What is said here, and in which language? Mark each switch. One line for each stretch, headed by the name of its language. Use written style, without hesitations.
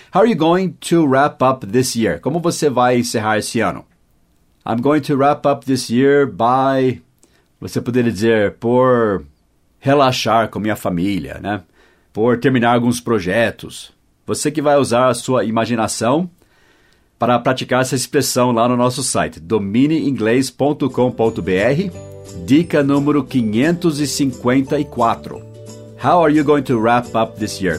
English: How are you going to wrap up this year?
Portuguese: Como você vai encerrar esse ano?
English: I'm going to wrap up this year by...
Portuguese: Você poderia dizer, por relaxar com minha família, né? Por terminar alguns projetos. Você que vai usar a sua imaginação para praticar essa expressão lá no nosso site, domineinglês.com.br, dica número 554.
English: How are you going to wrap up this year?